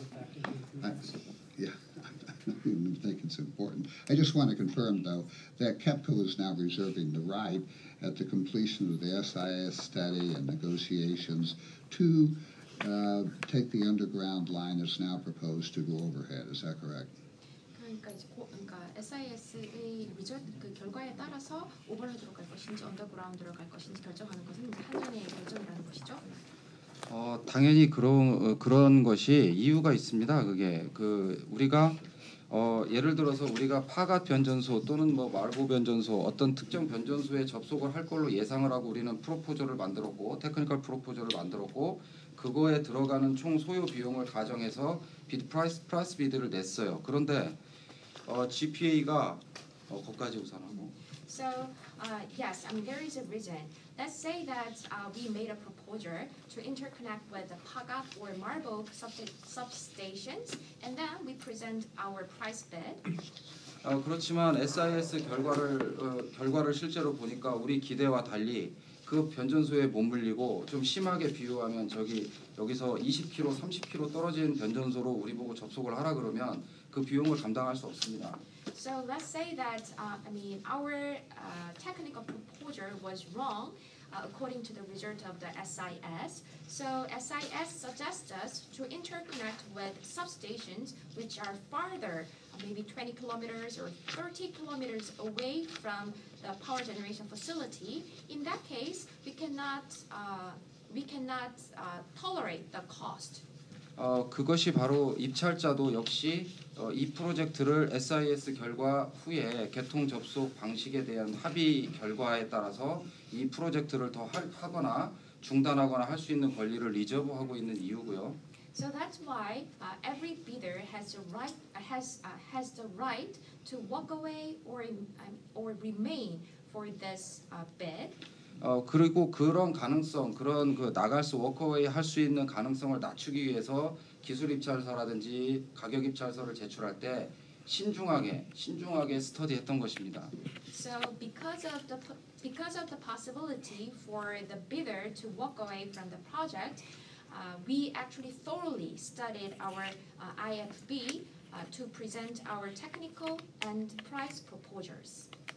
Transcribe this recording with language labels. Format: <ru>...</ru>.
<en>effect. I think it's important. I just want to confirm, though, that KEPCO is now reserving the right at the completion of the SIS study and negotiations to take the underground line as now proposed to go overhead. Is that correct?</en> <ko>그러니까 SIS의 리조트 그 결과에 따라서 오버헤드로 갈 것인지 언더그라운드로 갈 것인지 결정하는 것은 이제 한전의 결정이라는 것이죠. 당연히 그런 것이 이유가 있습니다. 그게 그 우리가 예를 들어서 우리가 파갓 변전소 또는 뭐 말고 변전소 어떤 특정 변전소에 접속을 할 걸로 예상을 하고 우리는 프로포저를 만들었고 테크니컬 프로포저를 만들었고 그거에 들어가는 총 소요 비용을 가정해서 비드 프라이스 플러스 비드를 냈어요. 그런데 GPA가 거기까지 우선 하고</ko> <en>So, yes, I mean, there is a reason. Let's say that we made a proposal to interconnect with the Pagak or Marbok substations, and then we present our price bid.</en> <ko>그렇지만 SIS 결과를 실제로 보니까 우리 기대와 달리 그 변전소에 못 물리고 좀 심하게 비유하면 여기서 20km, 30km 떨어진 변전소로 우리 보고 접속을 하라 그러면 그 비용을 감당할 수 없습니다.</ko> <en>So let's say that our technical proposal was wrong according to the result of the SIS. So SIS suggests us to interconnect with substations which are farther maybe 20 kilometers or 30 kilometers away from the power generation facility, in that case, we cannot tolerate the cost.</en> <ko>그것이 바로 입찰자도 역시 이 프로젝트를 SIS 결과 후에 개통 접속 방식에 대한 합의 결과에 따라서 이 프로젝트를 더 하거나 중단하거나 할 수 있는 권리를 리저브하고 있는 이유고요.</ko> <en>So that's why every bidder has the right to walk away or remain for this bid.</en> <ko>그리고 그런 가능성, 그런 그 나갈 수 워크어웨이 할 수 있는 가능성을 낮추기 위해서 기술 입찰서라든지 가격 입찰서를 제출할 때 신중하게 스터디했던 것입니다.</ko> <en>So because of the possibility for the bidder to walk away from the project, we actually thoroughly studied our IFB to present our technical and price proposals.</en>